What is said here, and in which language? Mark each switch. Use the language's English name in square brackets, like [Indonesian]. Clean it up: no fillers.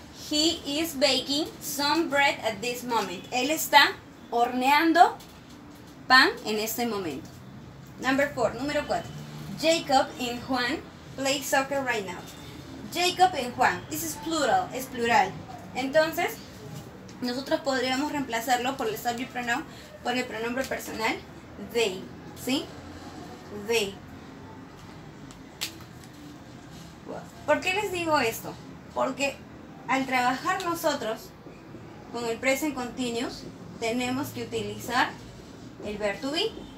[English] He is baking some bread at this moment. [Spanish] Él está horneando pan en este momento. [English] Number four, [Spanish] número cuatro. [English] Jacob and Juan play soccer right now. Jacob and Juan. This is plural, [Spanish] es plural. Entonces, nosotros podríamos reemplazarlo por el subject pronoun, por el pronombre personal, they. ¿Sí? They. ¿Por qué les digo esto? Porque al trabajar nosotros con el present continuous, tenemos que utilizar el verb to be.